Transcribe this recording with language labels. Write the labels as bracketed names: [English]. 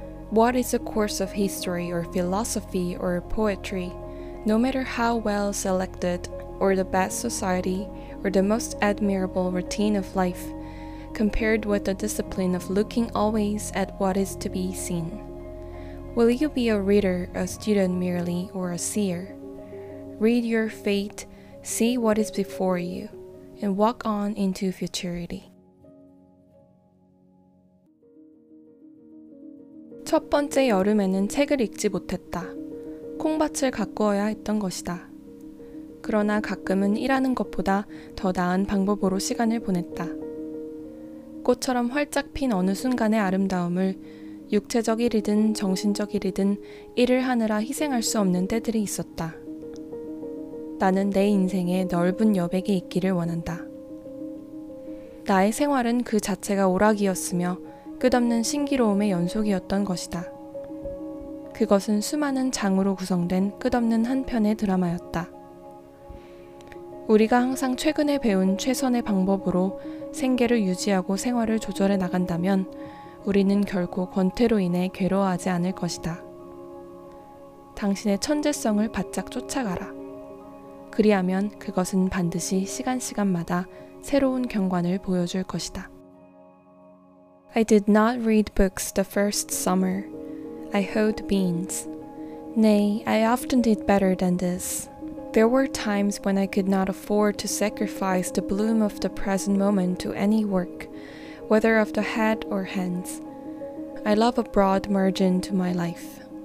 [English] What is the course of history or philosophy or poetry, no matter how well selected, or the best society, or the most admirable routine of life, compared with the discipline of looking always at what is to be seen. Will you be a reader, a student merely, or a seer? Read your fate, see what is before you, and walk on into futurity. [Korean] 첫 번째 여름에는 책을 읽지 못했다. 콩밭을 가꾸어야 했던 것이다. 그러나 가끔은 일하는 것보다 더 나은 방법으로 시간을 보냈다. 꽃처럼 활짝 핀 어느 순간의 아름다움을 육체적 일이든 정신적 일이든 일을 하느라 희생할 수 없는 때들이 있었다. 나는 내 인생에 넓은 여백이 있기를 원한다. 나의 생활은 그 자체가 오락이었으며 끝없는 신기로움의 연속이었던 것이다. 그것은 수많은 장으로 구성된 끝없는 한 편의 드라마였다. 우리가 항상 최근에 배운 최선의 방법으로 생계를 유지하고 생활을 조절해 나간다면 우리는 결코 권태로 인해 괴로워하지 않을 것이다. 당신의 천재성을 바짝 쫓아가라. 그리하면 그것은 반드시 시간시간마다 새로운 경관을 보여줄 것이다. [English] I did not read books the first summer. I hoed beans. Nay, I often did better than this. There were times when I could not afford to sacrifice the bloom of the present moment to any work, whether of the head or hands. I love a broad margin to my life.